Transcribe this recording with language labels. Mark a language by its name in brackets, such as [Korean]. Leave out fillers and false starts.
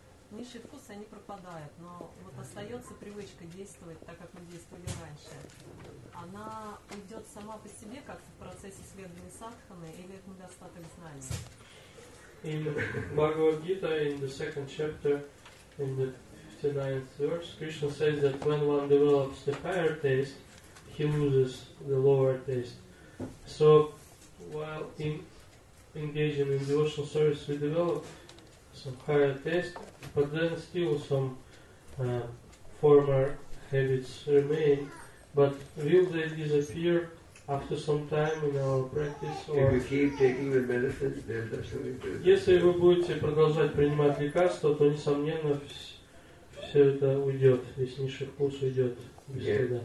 [Russian] Низшие вкусы, они пропадают, но вот остается привычка действовать так, как мы действовали раньше. Она уйдет сама по себе, как в процессе следования садханы, или это недостаток знаний? [English] In Bhagavad-gita, in the second chapter, in the 59th verse, Krishna says that when one develops the higher taste, he loses the lower taste. So, while in engaging in devotional service, we develop some higher taste, but then still some former habits remain. But will they disappear After some time in our practice, if you keep taking the medicines, then that's how it is. [Russian] Если вы будете продолжать принимать лекарства, то несомненно все это уйдет, если низший вкус уйдет без следа.